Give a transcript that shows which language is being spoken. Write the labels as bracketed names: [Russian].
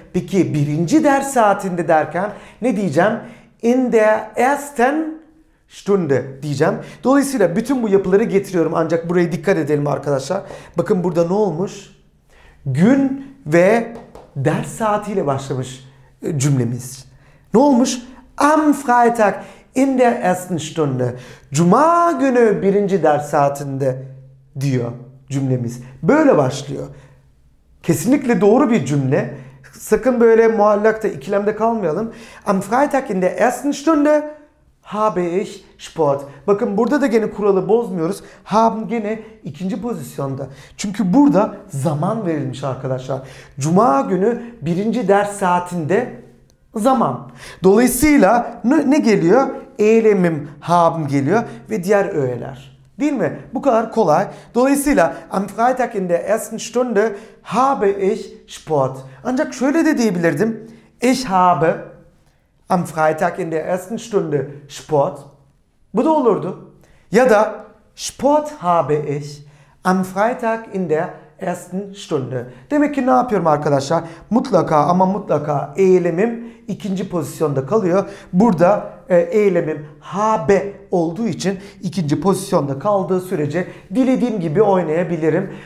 [Turkish] Peki birinci ders saatinde derken ne diyeceğim? [German] In der ersten Stunde [Turkish] diyeceğim. Dolayısıyla bütün bu yapıları getiriyorum ancak buraya dikkat edelim arkadaşlar. Bakın burada ne olmuş? Gün ve ders saatiyle başlamış cümlemiz. Ne olmuş? [German] Am Freitag in der ersten Stunde. [Turkish] Cuma günü birinci ders saatinde diyor cümlemiz. Böyle başlıyor. Kesinlikle doğru bir cümle. Sakın böyle muallakta, ikilemde kalmayalım. [German] Am Freitag in der ersten Stunde habe ich Sport. [Turkish] Bakın burada da gene kuralı bozmuyoruz. Haben gene ikinci pozisyonda. Çünkü burada zaman verilmiş arkadaşlar. Cuma günü birinci ders saatinde zaman. Dolayısıyla ne geliyor? Eylemim haben geliyor ve diğer öğeler. Değil mi? Bu kadar kolay. Dolayısıyla [German] am Freitag in der ersten Stunde habe ich Sport. [Turkish] Ancak şöyle de diyebilirdim. [German] Ich habe am Freitag in der ersten Stunde Sport. [Turkish] Bu da olurdu. Ya da [German] Sport habe ich am Freitag in der ersten Stunde. [Turkish] Demek ki ne yapıyorum arkadaşlar? Mutlaka ama mutlaka eylemim ikinci pozisyonda kalıyor. Burada eylemim habe olduğu için ikinci pozisyonda kaldığı sürece dilediğim gibi oynayabilirim.